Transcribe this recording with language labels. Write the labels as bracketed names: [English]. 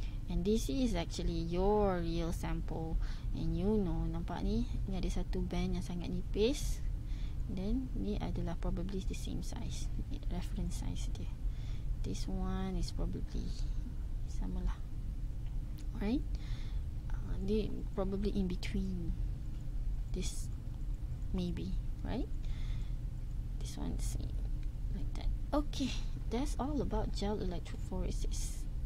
[English] And this is actually your real sample. And you know, [Malay] nampak ni, ni ada satu band yang sangat nipis. [English] Then [Malay] ni adalah [English] probably the same size, reference size [Malay] dia. [English] This one is probably [Malay] sama lah. [English] Right? [Malay] Ni [English] probably in between this, maybe, right? This one same, like that. Okay, that's all about gel electrophoresis.